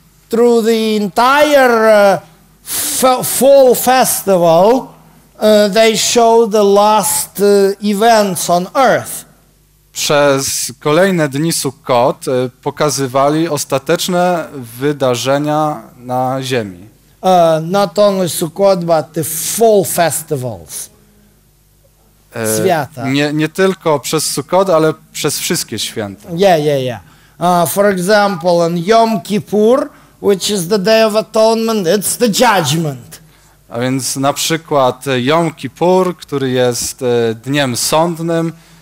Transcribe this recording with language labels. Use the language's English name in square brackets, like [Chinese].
[English] Through the entire fall festival they show the last events on earth. [Polish] Przez kolejne dni Sukkot pokazywali ostateczne wydarzenia na ziemi. [English] Not only Sukkot, but the fall festivals. [Polish] Świata. Nie tylko przez Sukkot, ale przez wszystkie święta. [English] Yeah. For example, on Yom Kippur, which is the Day of Atonement, it's the judgment. [Polish] A więc na przykład Yom Kippur, który jest dniem sądnym.